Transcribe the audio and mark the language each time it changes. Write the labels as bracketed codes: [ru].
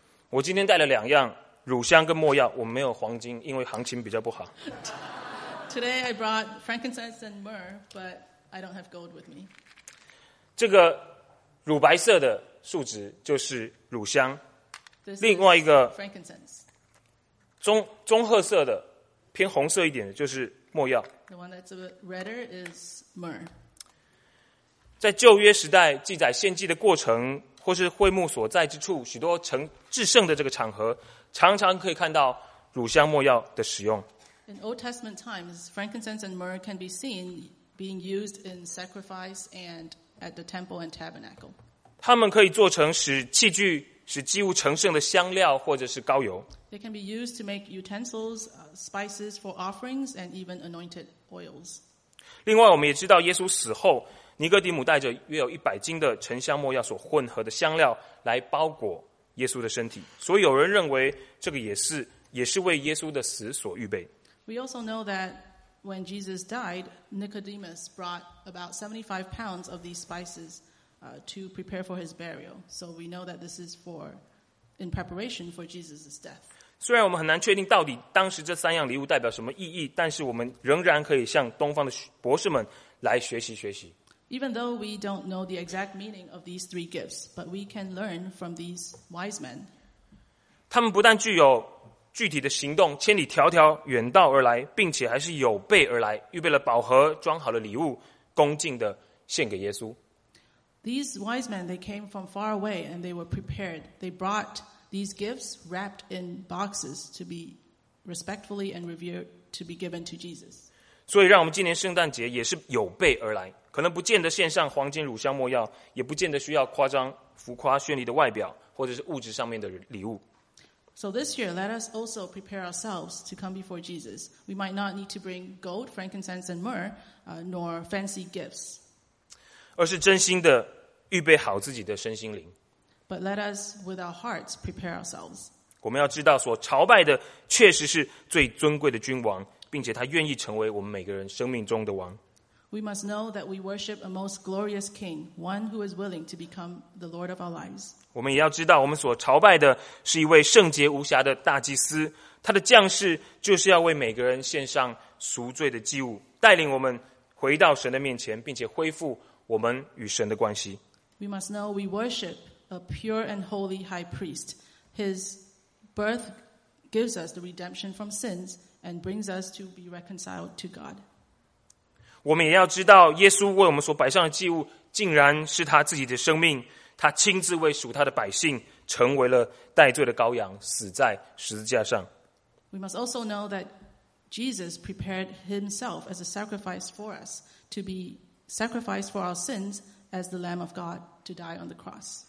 [zh] 我今天带了两样乳香跟没药，我没有黄金，因为行情比较不好。 [en] Today I brought frankincense and myrrh, but I don't have gold with me. [zh] 这个乳白色的树脂就是乳香。另外一个中褐色的偏红色一点的就是没药。 [en] The one that's a bit redder is myrrh. [zh] 在旧约时代记载献祭的过程或是会幕所在之处，许多成至圣的这个场合常常可以看到乳香没药的使用。 [en] In Old Testament times, frankincense and myrrh can be seen being used in sacrifice and at the temple and tabernacle. [zh] 它们可以做成使器具使祭物成圣的香料或者是膏油。 [en] They can be used to make utensils, spices for offerings, and even anointed oils. [zh] 另外，我们也知道耶稣死后，尼哥底母带着约有100斤的沉香没药所混合的香料来包裹耶稣的身体。所以有人认为这个也是为耶稣的死所预备。 [en] We also know that when Jesus died, Nicodemus brought about 75 pounds of these spices. To prepare for his burial. So we know that this is for, in preparation for Jesus' death. [zh] 虽然我们很难确定到底当时这三样礼物代表什么意义，但是我们仍然可以向东方的博士们来学习学习。 [en] Even though we don't know the exact meaning of these three gifts, but we can learn from these wise men. [zh] 他们不但具有具体的行动，千里迢迢远道而来，并且还是有备而来，预备了宝盒，装好了礼物，恭敬地献给耶稣。 [en] These wise men, they came from far away and they were prepared. They brought these gifts wrapped in boxes to be respectfully and revered to be given to Jesus. [zh] 所以让我们今年圣诞节也是有备而来，可能不见得献上黄金乳香没药，也不见得需要夸张浮夸绚丽的外表或者是物质上面的礼物。 [en] So this year, let us also prepare ourselves to come before Jesus. We might not need to bring gold, frankincense and myrrh, nor fancy gifts. [zh] 而是真心的预备好自己的身心灵。 [en] But let us, with our hearts, prepare ourselves. [zh] 我们要知道，所朝拜的确实是最尊贵的君王，并且他愿意成为我们每个人生命中的王。 [en] We must know that we worship a most glorious king, one who is willing to become the Lord of our lives. [zh] 我们也要知道，我们所朝拜的是一位圣洁无瑕的大祭司，他的降世就是要为每个人献上赎罪的祭物，带领我们回到神的面前，并且恢复我们与神的关系。 [en] We must know we worship a pure and holy high priest. His birth gives us the redemption from sins and brings us to be reconciled to God. [zh] 我们也要知道，耶稣为我们所摆上的祭物，竟然是他自己的生命。他亲自为属他的百姓，成为了代罪的羔羊，死在十字架上。 [en] We must also know that Jesus prepared himself as a sacrifice for us to be. Sacrifice for our sins as the Lamb of God to die on the cross.